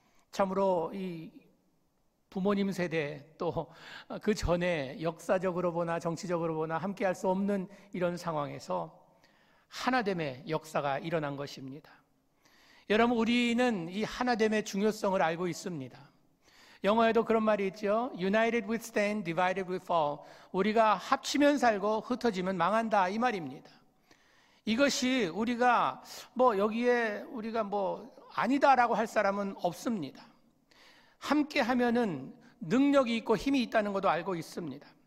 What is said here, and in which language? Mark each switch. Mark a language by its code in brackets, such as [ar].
[ko] 참으로 이 부모님 세대 또그 전에 역사적으로 보나 정치적으로 보나 함께할 수 없는 이런 상황에서 하나됨의 역사가 일어난 것입니다. 여러분, 우리는 이 하나됨의 중요성을 알고 있습니다. 영어에도 그런 말이 있죠. [en] United we stand, divided we fall. [ko] 우리가 합치면 살고 흩어지면 망한다. 이 말입니다. 이것이 우리가 뭐 여기에 우리가 뭐 아니다라고 할 사람은 없습니다. 함께 하면은 능력이 있고 힘이 있다는 것도 알고 있습니다.